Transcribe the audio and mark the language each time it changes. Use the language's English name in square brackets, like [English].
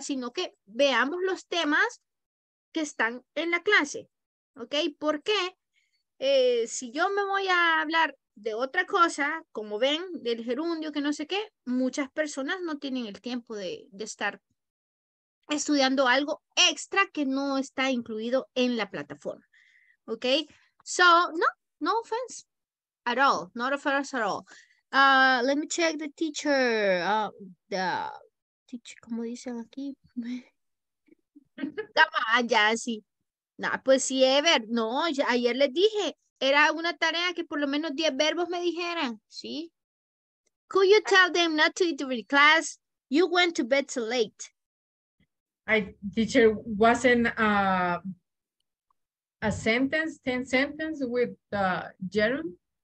[Spanish] Sino que veamos los temas que están en la clase, ¿ok? ¿Por qué? Si yo me voy a hablar de otra cosa, como ven, del gerundio, que no sé qué, muchas personas no tienen el tiempo de estar estudiando algo extra que no está incluido en la plataforma. [English] Okay, so no offense at all, not offense at all. Let me check the teacher. The teacher, [Spanish] ¿cómo dicen aquí? [English] Come on, [Spanish] ya sí. Nah, pues sí, Ever. No, ya, ayer les dije, era una tarea que por lo menos 10 verbos me dijeran, ¿sí? [English] Could you tell them not to eat during class? You went to bed too late. I teacher wasn't a sentence, 10 sentence with gerund?